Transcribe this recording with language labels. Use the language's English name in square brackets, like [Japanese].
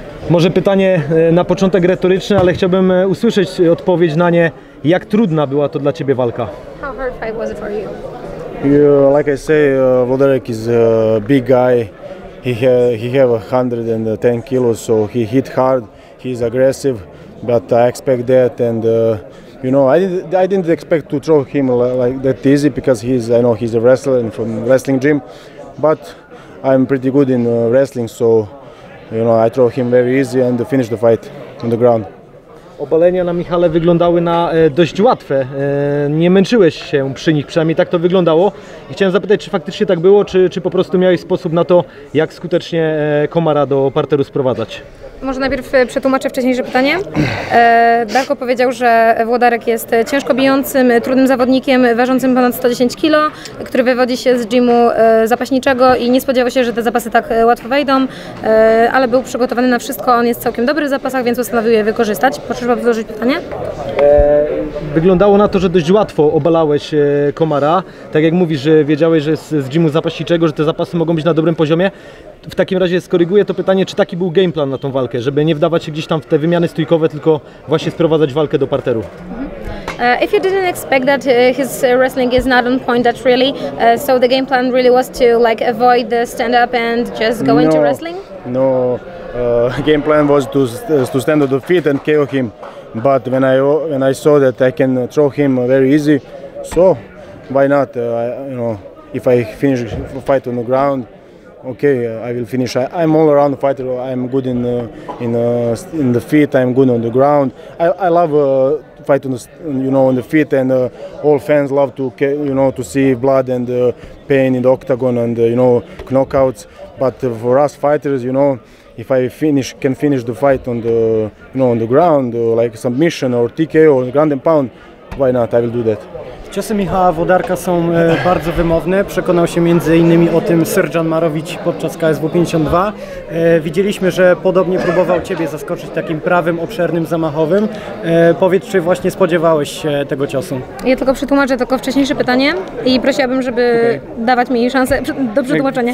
[Polish] Może pytanie na początek retoryczne, ale chciałbym usłyszeć odpowiedź na nie. Jak trudna była to dla ciebie walka? [English] How hard fight was it for you? Like I say, Włodarek is a big guy. He have 110 kilos, so he hit hard. He's aggressive, but I expect that. And I didn't expect to throw him like that easy because he's a wrestler and from wrestling gym. But I'm pretty good in wrestling, so I throw him very easy and finish the fight on the ground. [Polish] Obalenia na Michale wyglądały na dość łatwe. Nie męczyłeś się przy nich, przynajmniej tak to wyglądało. I chciałem zapytać, czy faktycznie tak było, czy po prostu miałeś sposób na to, jak skutecznie Komara do parteru sprowadzać? Może najpierw przetłumaczę wcześniejsze pytanie. Darko powiedział, że Włodarek jest ciężko bijącym, trudnym zawodnikiem, ważącym ponad 110 kilo, który wywodzi się z gymu zapaśniczego i nie spodziewał się, że te zapasy tak łatwo wejdą, ale był przygotowany na wszystko. On jest całkiem dobry w zapasach, więc postanowił je wykorzystać. Proszę powtórzyć pytanie. Wyglądało na to, że dość łatwo obalałeś Komara. Tak jak mówisz, że wiedziałeś, że z gymu zapaśniczego, że te zapasy mogą być na dobrym poziomie. W takim razie skoryguję to pytanie, czy taki był game plan na tą walkę, żeby nie wdawać się gdzieś tam w te wymiany stójkowe, tylko właśnie sprowadzać walkę do parteru. [English] If you didn't expect that his wrestling is not on point, that really, so the game plan really was to like avoid the stand up and just go into wrestling? No, game plan was to stand on the feet and KO him, but when I saw that I can throw him very easy, so why not? If I finish fight on the ground. Okay, I will finish. I'm all around fighter. I'm good in the feet. I'm good on the ground. I love fight on the on the feet, and all fans love to to see blood and pain in the octagon and knockouts. But for us fighters, if I can finish the fight on the on the ground, like submission or TKO or ground and pound, why not? I will do that. [Polish] Ciosy Michała Włodarka są bardzo wymowne. Przekonał się między innymi o tym Sergeant Marowicz podczas KSW 52. Widzieliśmy, że podobnie próbował ciebie zaskoczyć takim prawym, obszernym, zamachowym. Powiedz, czy właśnie spodziewałeś się tego ciosu? Ja tylko przetłumaczę tylko wcześniejsze pytanie i prosiłabym, żeby dawać mi szansę do przetłumaczenia.